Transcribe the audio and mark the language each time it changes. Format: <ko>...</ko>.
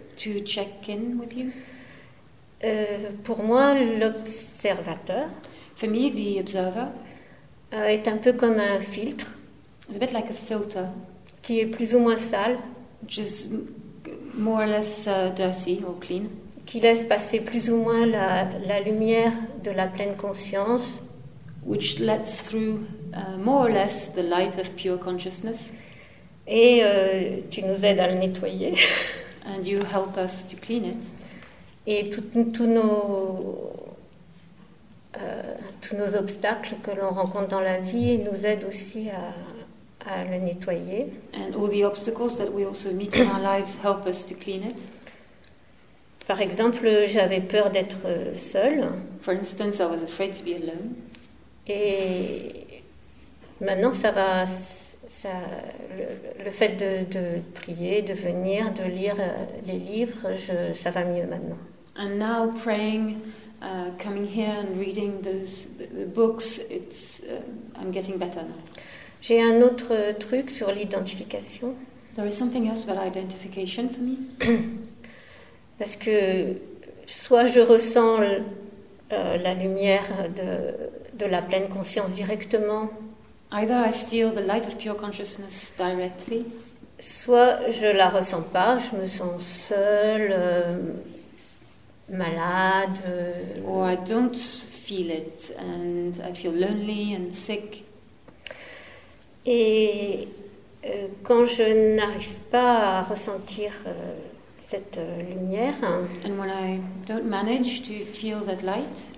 <en>To check in with you.</en> <fr>Pour moi, l'observateur.</fr> <en>For me, the observer.</en> <fr>Est un peu comme un filtre.</fr> <en>It's a bit like a filter.</en> <fr>Qui est plus ou moins sale.</fr> <en>Which is more or less dirty or clean.</en> <fr>Qui laisse passer plus ou moins la lumière de la pleine conscience.</fr> <en>Which lets through more or less the light of pure consciousness.</en> <fr>Et tu nous aides à le nettoyer.</fr> <en>And you help us to clean it.</en> <fr>Et tous nos obstacles que l'on rencontre dans la vie nous aident aussi à le nettoyer.</fr> <en>And all the obstacles that we also meet in our lives help us to clean it.</en> <fr>Par exemple, j'avais peur d'être seule.</fr> <en>For instance, I was afraid to be alone.</en> <fr>Et maintenant, le fait de prier, de venir, de lire les livres, ça va mieux maintenant.</fr> <en>And now praying, coming here and reading the books, I'm getting better now.</en> <fr>J'ai un autre truc sur l'identification.</fr> <en>There is something else about identification for me.</en> <fr>Parce que soit je ressens la lumière de la pleine conscience directement.</fr> <en>Either I feel the light of pure consciousness directly.</en> <fr>Soit je la ressens pas, je me sens seule, malade.</fr> <en>Or I don't feel it and I feel lonely and sick.</en> <fr>Et quand je n'arrive pas à ressentir cette lumière,</fr> <en>and when I don't manage to feel that light,</en>